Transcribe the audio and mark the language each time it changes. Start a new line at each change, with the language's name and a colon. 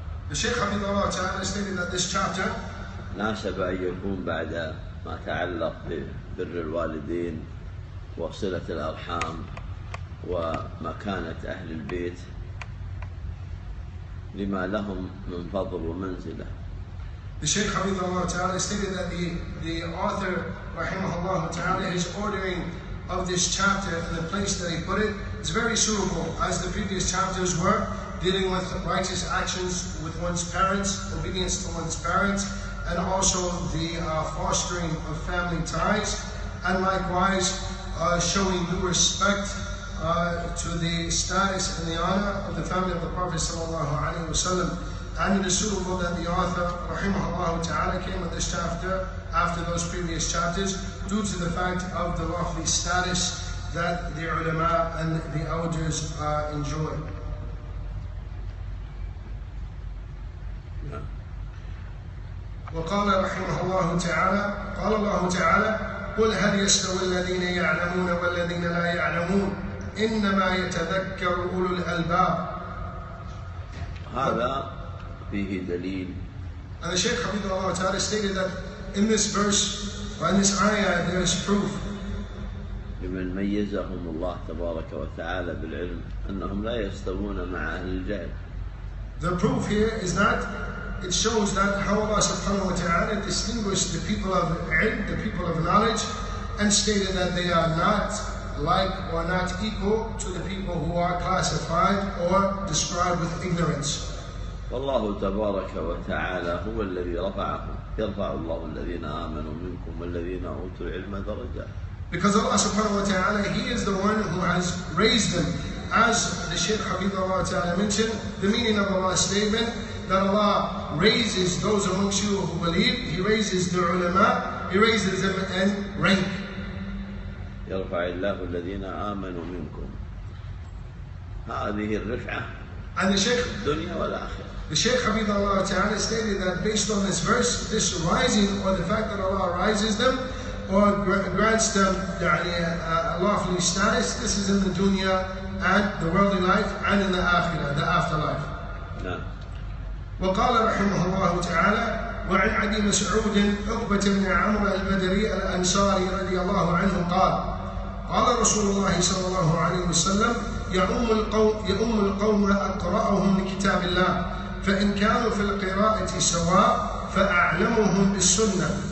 Arabic: الشيخ حميد الله تعالى استفيد من
English: this chapter
Arabic: ناسب أن يكون بعد ما تعلق ببر الوالدين وصلة الأرحام ومكانة أهل البيت لما لهم من فضل ومنزلة.
English: The Shaykh Hafidh Allah Ta'ala stated that the author
Arabic: رحمه الله تعالى
English: his ordering of this chapter and the place that he put it is very suitable as the previous chapters were dealing with righteous actions with one's parents, obedience to one's parents and also the fostering of family ties and likewise showing due respect to the status and the honor of the family of the Prophet sallallahu alaihi wasallam. And it is suitable that the author rahimahullah ta'ala came with this chapter after those previous chapters due to the fact of the lofty status that the ulama and the elders enjoy.
Arabic: وقال رحمه الله تعالى قال الله تعالى قل هل يستوي الذين يعلمون والذين لا يعلمون إنما يتذكر أولو الألباب. هذا فيه دليل.
English: And the Shaykh
Arabic: حفظه الله تعالى
English: stated that in this verse or in this ayah there is proof.
Arabic: لمن ميزهم الله تبارك وتعالى بالعلم أنهم لا يستوون مع أهل الجهل.
English: The proof here is that it shows that how Allah subhanahu wa ta'ala distinguished the people of ilm, the people of knowledge, and stated that they are not like or not equal to the people who are classified or described with ignorance.
Arabic: Allah تبارك وتعالى هو الذي رفعهم يرفع الله الذين آمنوا منكم والذين أوتوا العلم درجة.
English: Because Allah subhanahu wa ta'ala, He is the one who has raised them. As the Shaykh Habib Allah ta'ala mentioned, the meaning of Allah's statement, that Allah raises those amongst you who believe, He raises the ulama, He raises them in rank.
Arabic: يرفع الله الذين آمنوا منكم. هذه الرفعة
English: And the Shaykh,
Arabic: الدنيا والآخرة.
English: The Shaykh Habib Allah ta'ala stated that based on this verse, this rising or the fact that Allah raises them or grants them a lawfully status, this is in the dunya and the worldly life and in the akhirah, the afterlife. No.
Arabic: وقال رحمه الله تعالى وعن عدي مسعود عقبة بن عمرو البدري الأنصاري رضي الله عنه قال قال رسول الله صلى الله عليه وسلم يؤم القوم أقرأهم لكتاب الله فإن كانوا في القراءة سواء فأعلمهم بالسنة